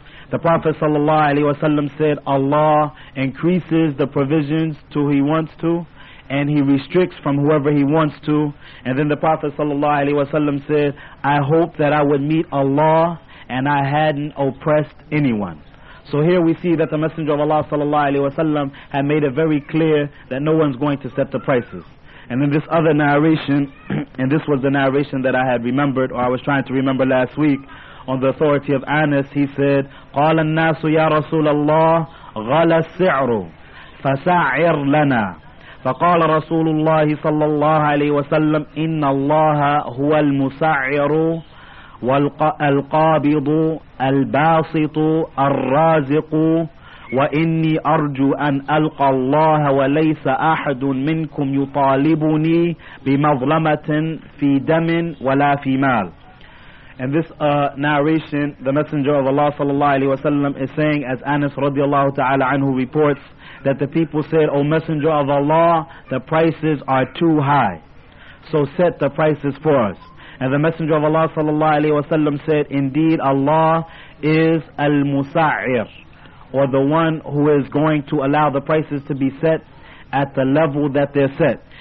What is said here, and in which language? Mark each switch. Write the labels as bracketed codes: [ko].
[en] The Prophet sallallahu alayhi wa sallam said, Allah increases the provisions to who he wants to, and he restricts from whoever he wants to. And then the Prophet sallallahu alayhi wa sallam said, I hope that I would meet Allah and I hadn't oppressed anyone. So here we see that the Messenger of Allah sallallahu alayhi wa sallam had made it very clear that no one's going to set the prices. And then this other narration, and this was the narration that I had remembered, or I was trying to remember last week, on the authority of Anas, he said, [ar] قَالَ النَّاسُ يَا رَسُولَ اللَّهِ غَلَى السِّعْرُ فَسَعِرْ لَنَا فَقَالَ رَسُولُ اللَّهِ صَلَّى اللَّهُ عَلَيْهِ وَسَلَّمْ إِنَّ اللَّهَ هُوَ الْمُسَعِرُ وَالْقَابِضُ الْبَاسِطُ الرَّازِقُ وَإِنِّي أَرْجُو أَنْ أَلْقَى اللَّهَ وَلَيْسَ أَحَدٌ مِنْكُمْ يُطَالِبُنِي بِمَظْلَمَةٍ فِي دَمٍ وَلَا فِي مَالٍ. [en] And this narration, the Messenger of Allah sallallahu alayhi wa sallam is saying, as Anas radiallahu ta'ala anhu reports, that the people said, O Messenger of Allah, the prices are too high, so set the prices for us. And the Messenger of Allah sallallahu alayhi wa sallam said, indeed Allah is al-musa'ir, or the one who is going to allow the prices to be set at the level that they're set.